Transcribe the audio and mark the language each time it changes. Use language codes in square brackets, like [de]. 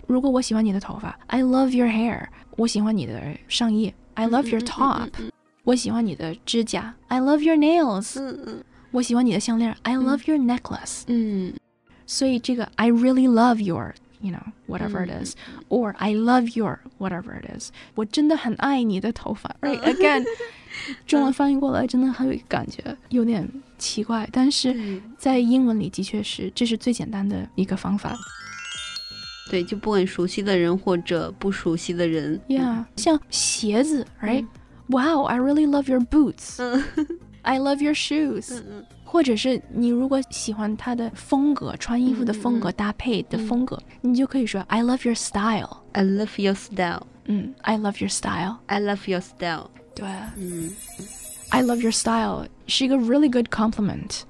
[zh] 如果我喜欢你的头发 [en] I love your hair， [zh] 我喜欢你的上衣 [en] I love your top、 [zh] 我喜欢你的指甲 [en] I love your nails、 [zh] 我喜欢你的项链 [en] I love your necklace、 [zh] 所以这个 [en] I really love your you know whatever it is、 or I love your whatever it is， [zh] 我真的很爱你的头发 [en] right again [zh] 中文翻译过来真的很有感觉，有点奇怪，但是在英文里的确是，这是最简单的一个方法。对，就不管熟悉的人或者不熟悉的人。 [en] Yeah, [zh] 像鞋子 [en] ，right? Wow, I really love your boots. I love your shoes. [zh] 或者是你如果喜欢他的风格，穿衣服的风格，搭配的风格，你就可以说 [en] I love your style. I love your style. I love your style. I love your style. 对。I love your style [zh] 是一个 [en] really good compliment，